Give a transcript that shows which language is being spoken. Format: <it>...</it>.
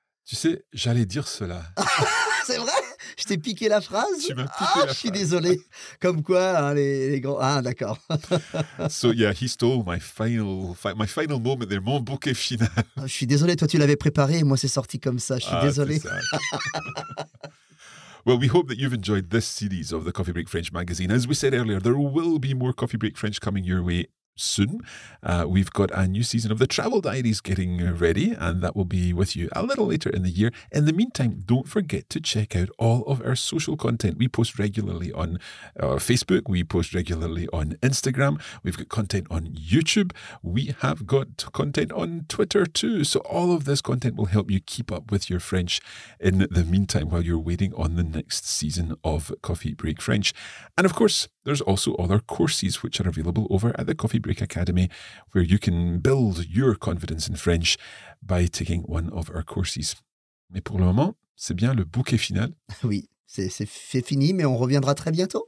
<fr>Tu sais, j'allais dire cela. C'est vrai ? Je t'ai piqué la phrase ? Tu m'as piqué la phrase. Ah, je suis désolé. Comme quoi, hein, les grands... Ah, d'accord.</fr> <en>So, yeah, he stole my final moment there,</en> <fr>mon bouquet final. Je suis désolé, toi, tu l'avais préparé, moi, c'est sorti comme ça. Je suis désolé.</fr> <en>Well, we hope that you've enjoyed this series of the Coffee Break French magazine. As we said earlier, there will be more Coffee Break French coming your way soon. We've got a new season of The Travel Diaries getting ready, and that will be with you a little later in the year. In the meantime, don't forget to check out all of our social content. We post regularly on Facebook. We post regularly on Instagram. We've got content on YouTube. We have got content on Twitter too. So all of this content will help you keep up with your French in the meantime while you're waiting on the next season of Coffee Break French. And of course, there's also other courses which are available over at the Coffee Break Academy, where you can build your confidence in French by taking one of our courses.</en> <fr>Mais pour le moment, c'est bien le bouquet final. Oui, c'est fini, mais on reviendra très bientôt.</fr>